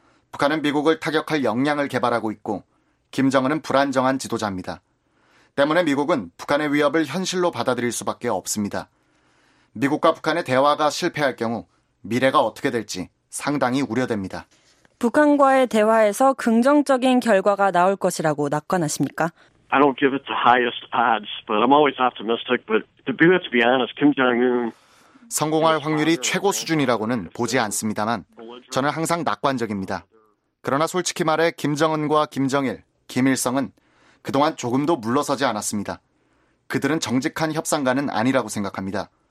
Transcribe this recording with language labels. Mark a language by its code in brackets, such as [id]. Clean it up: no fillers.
[ko] 북한은 미국을 타격할 역량을 개발하고 있고 김정은은 불안정한 지도자입니다. 때문에 미국은 북한의 위협을 현실로 받아들일 수밖에 없습니다. 미국과 북한의 대화가 실패할 경우 미래가 어떻게 될지 상당히 우려됩니다. 북한과의 대화에서 긍정적인 결과가 나올 것이라고 낙관하십니까? [en] I don't give it the highest odds, but I'm always optimistic. But to be honest, Kim Jong-un [ko] 성공할 확률이 최고 수준이라고는 보지 않습니다만 저는 항상 낙관적입니다. 그러나 솔직히 말해 김정은과 김정일, 김일성은 그동안 조금도 물러서지 않았습니다. 그들은 정직한 협상가는 아니라고 생각합니다.